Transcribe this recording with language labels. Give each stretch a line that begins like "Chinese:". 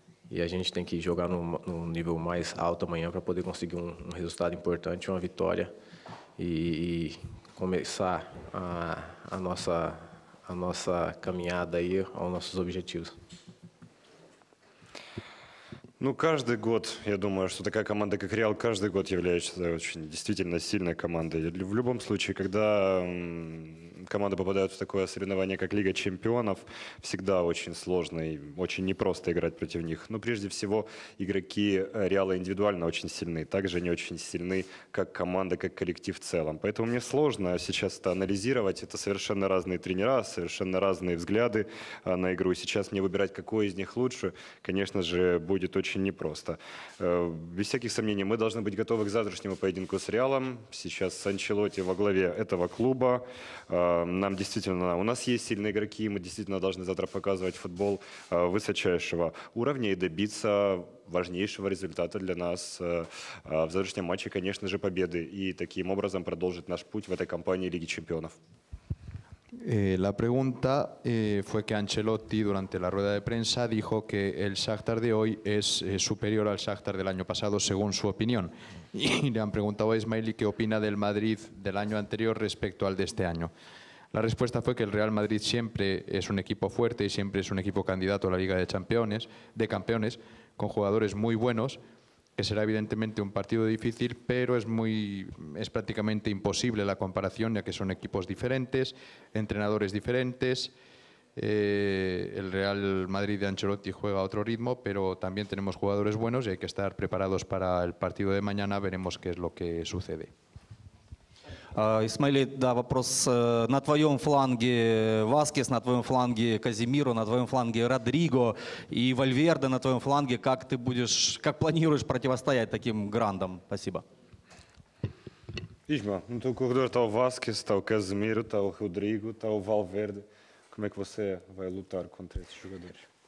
Portuguese: a gente tem que jogar no nível mais alto amanhã para poder conseguir um resultado importante, uma vitória e começar a nossa caminhada aí aos nossos objetivos.
Russian: Ну, каждый год, я думаю, что такая команда, как Реал, каждый год является очень действительно сильной командой. В любом случае, когда команда попадает в такое соревнование, как Лига Чемпионов, всегда очень сложно и очень непросто играть против них. Но прежде всего, игроки Реала индивидуально очень сильны. Также они очень сильны, как команда, как коллектив в целом. Поэтому мне сложно сейчас это анализировать. Это совершенно разные тренера, совершенно разные взгляды на игру. Сейчас мне выбирать, какой из них лучше, конечно же, будет очень непросто. Без всяких сомнений, мы должны быть готовы к завтрашнему поединку с Реалом. Сейчас Анчелотти во главе этого клуба. Нам действительно, у нас есть сильные игроки, и мы действительно должны завтра показывать футбол высочайшего уровня и добиться важнейшего результата для нас в завтрашнем матче, конечно же, победы. И таким образом продолжить наш путь в этой кампании Лиги Чемпионов.
Spanish: La pregunta fue que Ancelotti durante la rueda de prensa dijo que el Shakhtar de hoy es superior al Shakhtar del año pasado, según su opinión. Y le han preguntado a Ismaili qué opina del Madrid del año anterior respecto al de este año. La respuesta fue que el Real Madrid siempre es un equipo fuerte y siempre es un equipo candidato a la Liga de Campeones, con jugadores muy buenos, que será evidentemente un partido difícil, pero es prácticamente imposible la comparación, ya que son equipos diferentes, entrenadores diferentes. El Real Madrid de Ancelotti juega a otro ritmo, pero también tenemos jugadores buenos y hay que estar preparados para el partido de mañana. Veremos qué es lo que sucede.
Russian: Исмаили, да, вопрос. На твоем фланге Васкес, на твоем фланге Казимиро, на твоем фланге Родриго и Вальверде, на твоем фланге, как ты будешь, как планируешь противостоять таким грандам? Спасибо. Исма, ну то коридор тал Васкес, тал Казимиро, тал Родриго, тал Вальверде.
Portuguese: Como é que você vai lutar contra esses jogadores?